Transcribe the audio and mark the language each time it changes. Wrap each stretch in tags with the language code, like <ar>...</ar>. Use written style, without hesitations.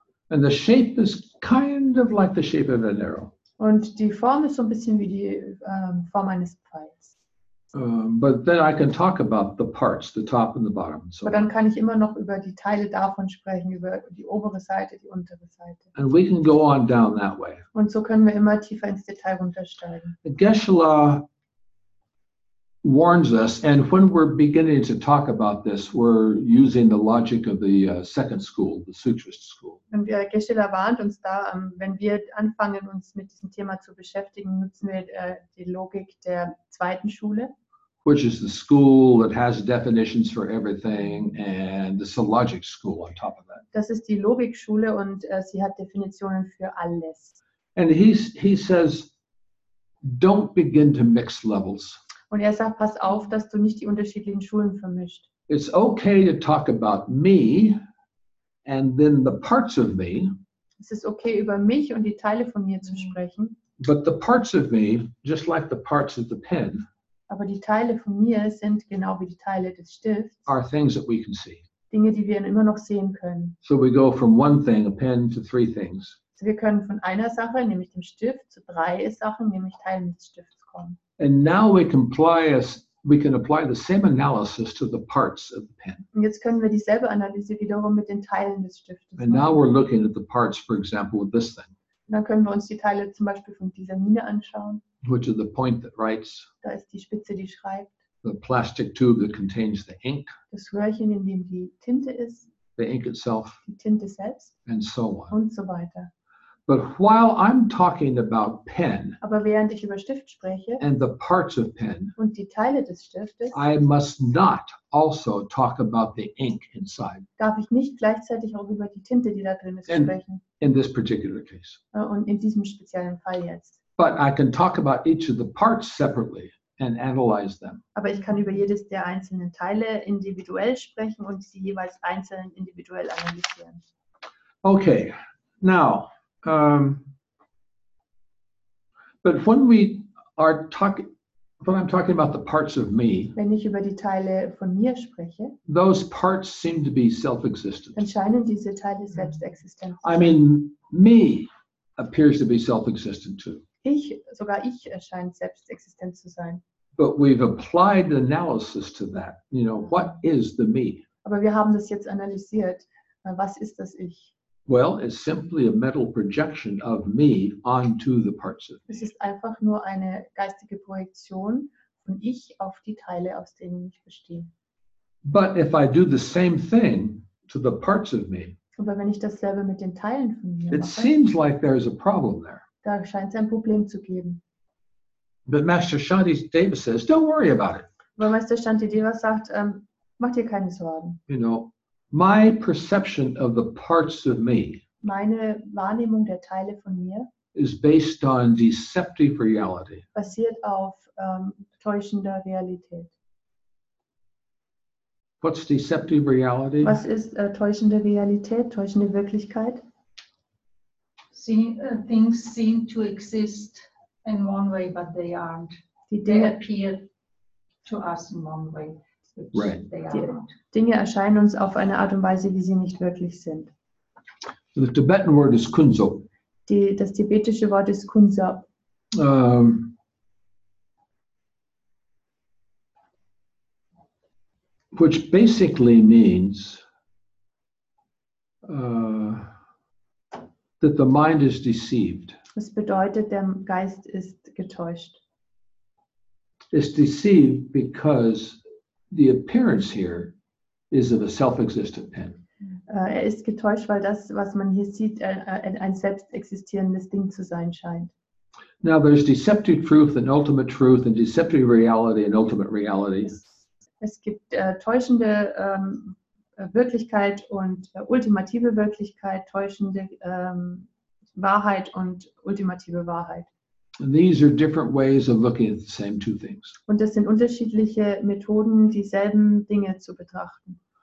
<en>And the shape is kind of like the shape of an arrow.</en> <de>Und die Form ist so ein bisschen wie die Form eines Pfeils.</de> <en>But then I can talk about the parts, the top and the bottom. So.</en> <de>Aber dann kann ich immer noch über die Teile davon sprechen, über die obere Seite, die untere Seite.</de> <en>And we can go on down that way.</en> <de>Und so können wir immer tiefer ins Detail runtersteigen.</de> <en>Geshe-la warns us, and when we're beginning to talk about this, we're using the logic of the second school, the sutrist school.</en> <de>Und Geshe-la warnt uns da, wenn wir anfangen, uns mit diesem Thema zu beschäftigen, nutzen wir die Logik der zweiten Schule.</de> <en>Which is the school that has definitions for everything, and it's a logic school on top of that.</en> <de>Das ist die Logikschule und sie hat Definitionen für alles.</de> <en>And he says, don't begin to mix levels.</en> <de>Und er sagt, pass auf, dass du nicht die unterschiedlichen Schulen vermischt.</de> <en>It's okay to talk about me and then the parts of me.</en> <de>Es ist okay, über mich und die Teile von mir zu sprechen.</de> <en>But the parts of me, just like the parts of the pen.</en> <de>Aber die Teile von mir sind genau wie die Teile des Stifts.</de> <en>Are things that we can see.</en> <de>Dinge, die wir immer noch sehen können.</de> <en>So we go from one thing, a pen, to three things.</en> <de>Also wir können von einer Sache, nämlich dem Stift, zu drei Sachen, nämlich Teilen des Stifts kommen.</de> <en>And now we can apply the same analysis to the parts of the pen.</en> <de>Und jetzt können wir dieselbe Analyse wiederum mit den Teilen des Stiftes machen.</de> <en>And now we're looking at the parts, for example, of this thing.</en> <de>Und dann können wir uns die Teile zum Beispiel von dieser Mine anschauen.</de> <en>Which is the point that writes.</en> <de>Da ist die Spitze, die schreibt.</de> <en>The plastic tube that contains the ink.</en> <de>Das Röhrchen, in dem die Tinte ist.</de> <en>The ink itself.</en> <de>Die Tinte selbst.</de> <en>And so on.</en> <de>Und so weiter.</de> <en>But while I'm talking about pen,</en> <de>aber während ich über Stift spreche,</de> <en>and the parts of pen,</en> <de>und die Teile des Stiftes,</de> <en>I must not also talk about the ink inside.</en> <de>Darf ich nicht gleichzeitig auch über die Tinte, die da drin ist, sprechen?</de> <en>In this particular case.</en> <de>Und in diesem speziellen Fall jetzt.</de> <en>But I can talk about each of the parts separately and analyze them.</en> <de>Aber ich kann über jedes der einzelnen Teile individuell sprechen und sie jeweils einzeln individuell analysieren.</de> <en>Okay, now. But when we are talking, when I'm talking about the parts of me,</en> <de>wenn ich über die Teile von mir spreche,</de> <en>those parts seem to be self-existent.</en> <de>Dann scheinen diese Teile selbstexistent.</de> <en>I mean, me appears to be self-existent too.</en> <de>Ich, sogar ich erscheint selbstexistent zu sein.</de> <en>But we've applied the analysis to that. You know, what is the me?</en> <de>Aber wir haben das jetzt analysiert. Was ist das Ich?</de> <en>Well, it's simply a mental projection of me onto the parts of me.</en> <de>Es ist einfach nur eine geistige Projektion von ich auf die Teile, aus denen ich bestehe.</de> <en>But if I do the same thing to the parts of me,</en> <de>aber wenn ich dasselbe mit den Teilen von mir</de> <en>it</en> <de>mache,</de> <en>seems like there is a problem there.</en> <de>Da scheint es ein Problem zu geben.</de> <en>But Master Shantideva says, don't worry about it.</en> <de>Weil Meister Shantideva sagt, mach dir keine Sorgen.</de> <en>You know, my perception of the parts of me,</en> <de>meine Wahrnehmung der Teile von mir,</de> <en>is based on deceptive reality.</en> <de>Basiert auf täuschender Realität.</de> <en>What's deceptive reality?</en> <de>Was ist täuschende Realität, täuschende Wirklichkeit?</de> <en>Things seem to exist in one way, but they aren't. They appear to us in one way, but right. They are not.</en> <de>Dinge erscheinen uns auf eine Art und Weise, wie sie nicht wirklich sind.</de> <en>The Tibetan word is kunso.</en> <de>Das tibetische Wort ist kunso.</de> <en>Which basically means that the mind is deceived.</en> <de>Das bedeutet, der Geist ist getäuscht.</de> <en>It's deceived because the appearance here is of a self-existent end.</en> <de>Er ist getäuscht, weil das, was man hier sieht, ein selbst existierendes Ding zu sein scheint.</de> <en>Now there's deceptive truth and ultimate truth and deceptive reality and ultimate reality.</en> <de>Es gibt täuschende Wirklichkeit und ultimative Wirklichkeit, täuschende Wahrheit und ultimative Wahrheit.</de> <en>And these are different ways of looking at the same two things.</en> <de>Und das sind unterschiedliche Methoden, dieselben Dinge zu betrachten.</de>